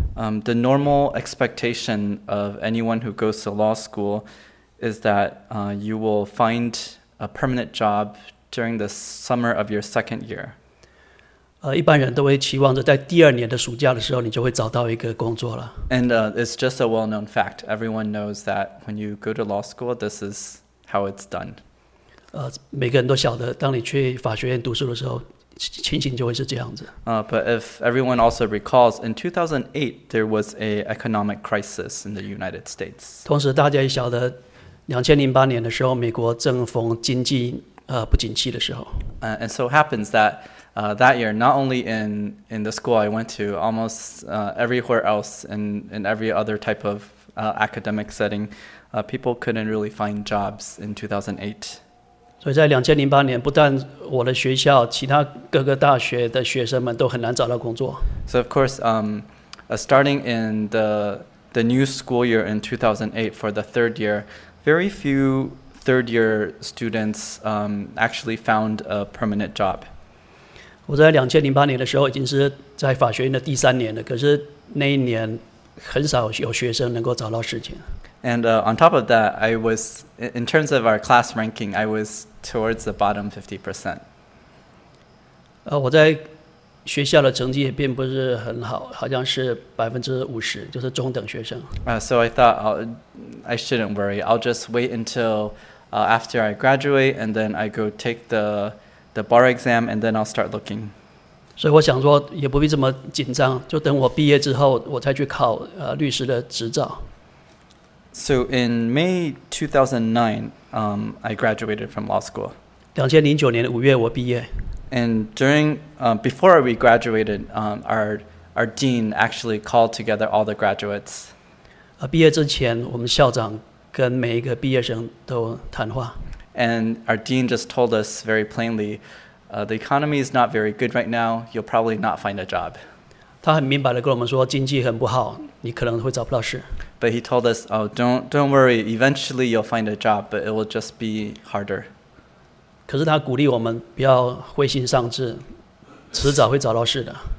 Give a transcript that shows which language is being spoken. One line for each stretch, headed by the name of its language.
English: the normal expectation of anyone who goes to law school is that you will find a permanent job during the summer of your second year.
Chinese: 一般人都会期望着在第二年的暑假的时候你就会找到一个工作了。
English: And it's just a well-known fact. Everyone knows that when you go to law school, this is how it's done.
Chinese: 每个人都晓得当你去法学院读书的时候情形就会是这样子。
English: But if everyone also recalls, in 2008, there was an economic crisis in the United States.
Chinese: 同时大家也晓得2008年的时候美国正逢经济不景气的时候。
English: And so it happens that that year, not only in the school I went to, almost everywhere else in every other type of academic setting, people couldn't really find jobs in 2008.
Chinese: So in 2008年，不但我的学校，其他各个大学的学生们都很难找到工作。
English: So of course, starting in the new school year in 2008 for the third year, very few third year students actually found a permanent job.
Chinese: 我在2008年的时候已经是在法学院的第三年了，可是那一年很少有学生能够找到事情。
English: And on top of that, I was, in terms of our class ranking, I was towards the bottom 50%.
Chinese: 我在学校的成绩也并不是很好，好像是50%，就是中等学生。
English: So I thought, I shouldn't worry. I'll just wait until after I graduate, and then I go take the bar exam, and then I'll start looking.
Chinese: 所以我想说也不必这么紧张，就等我毕业之后我才去考律师的执照。
English: So in May 2009, I graduated from law school.
Chinese: 2009年5月我毕业。
English: And during, before we graduated, our dean actually called together all the graduates.
Chinese: 毕业之前我们校长跟每一个毕业生都谈话。
English: And our dean just told us very plainly, the economy is not very good right now. You'll probably not find a job.
Chinese: 他很明白地跟我们说，经济很不好，你可能会找不到事。
English: But he told us, oh, don't worry. Eventually, you'll find a job, but it will just be harder.
Chinese: 可是他鼓励我们不要灰心丧志，迟早会找到事的。